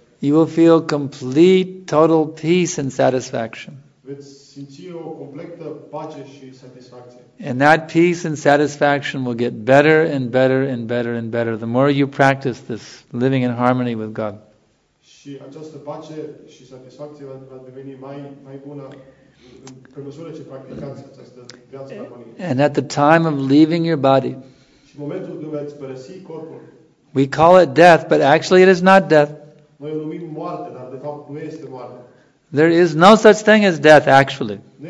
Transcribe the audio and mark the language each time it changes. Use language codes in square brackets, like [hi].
[en] You will feel complete, total peace and satisfaction. [ro] Veți simți o completă pace și satisfacție. [en] And that peace and satisfaction will get better and better and better and better the more you practice this living in harmony with God. [ro] Și această pace și satisfacție va deveni mai bună pe măsură ce practicați această viață în armonie. [en] And at the time of leaving your body, [ro] și momentul când veți părăsi corpul, [en] we call it death, but actually it is not death. [ro] Noi o numim moarte, dar de fapt nu este moarte. [en] There is no such thing as death, actually.